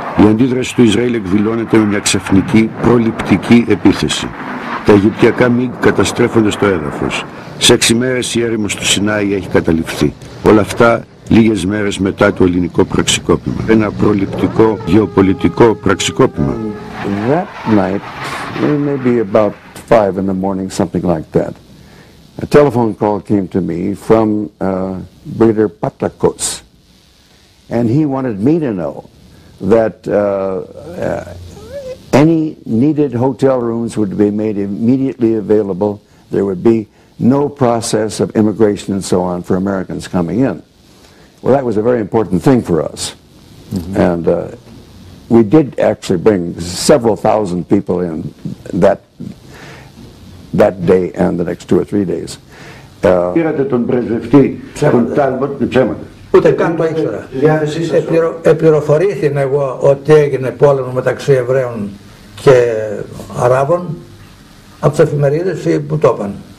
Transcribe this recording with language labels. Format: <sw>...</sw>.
<el>Η αντίδραση του Ισραήλ εκδηλώνεται με μια ξαφνική, προληπτική επίθεση. Τα Αιγυπτιακά μήκη καταστρέφονται στο έδαφος. Σε 6 μέρες η έρημος του Σινάη έχει καταληφθεί. Όλα αυτά λίγες μέρες μετά το ελληνικό πραξικόπημα. Ένα προληπτικό γεωπολιτικό πραξικόπημα.</el> <en>That night, maybe about 5 in the morning, something like that, a telephone call came to me from Breeder Patakos. And he wanted me to know that any needed hotel rooms would be made immediately available. There would be no process of immigration and so on for Americans coming in. Well, that was a very important thing for us. Mm-hmm. And we did actually bring several thousand people in that day and the next two or three days.</en> <el>Πήρατε τον πρεσβευτή, τον Τάλμποτ, ψέματα. Ούτε καν το ήξερα. Επληροφορήθηκα εγώ ότι έγινε πόλεμο μεταξύ Εβραίων και Αράβων από τις εφημερίδες που το είπαν.</el>